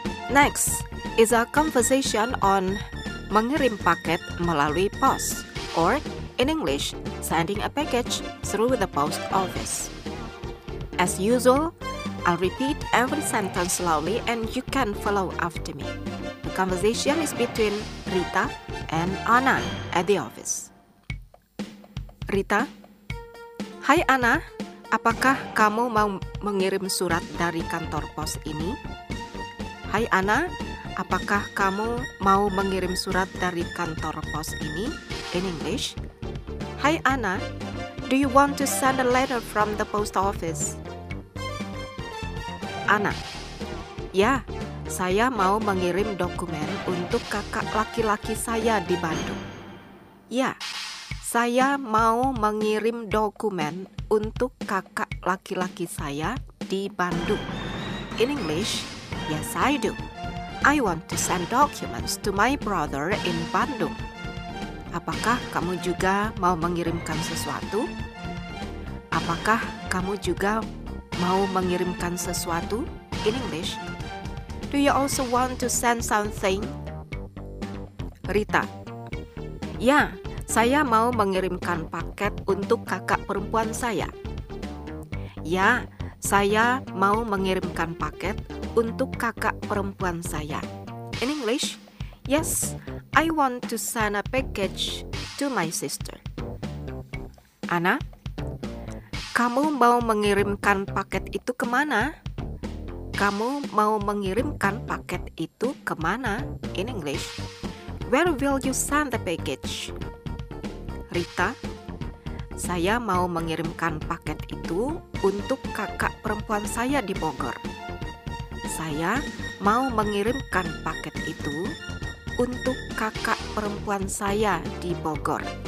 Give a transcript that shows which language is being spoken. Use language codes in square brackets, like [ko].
[en] Next is a conversation on [id] mengirim paket melalui pos, [en] or in English, sending a package through the post office. As usual, I'll repeat every sentence slowly and you can follow after me. The conversation is between Rita and Anan at the office. [id] Rita, hai Ana, apakah kamu mau mengirim surat dari kantor pos ini? Hai Ana, apakah kamu mau mengirim surat dari kantor pos ini? [en] In English, hai Ana, do you want to send a letter from the post office? [id] Ana, ya, saya mau mengirim dokumen untuk kakak laki-laki saya di Bandung. Ya, saya mau mengirim dokumen untuk kakak laki-laki saya di Bandung. [en] In English, yes I do. I want to send documents to my brother in Bandung. [id] Apakah kamu juga mau mengirimkan sesuatu? Apakah kamu juga mau mengirimkan sesuatu? [en] In English, do you also want to send something? [id] Rita, ya, saya mau mengirimkan paket untuk kakak perempuan saya. Ya, saya mau mengirimkan paket untuk kakak perempuan saya. [en] In English, yes, I want to send a package to my sister. [id] Ana, kamu mau mengirimkan paket itu kemana? Kamu mau mengirimkan paket itu kemana? [en] In English, where will you send the package? [id] Rita, saya mau mengirimkan paket itu untuk kakak perempuan saya di Bogor. Saya mau mengirimkan paket itu untuk kakak perempuan saya di Bogor.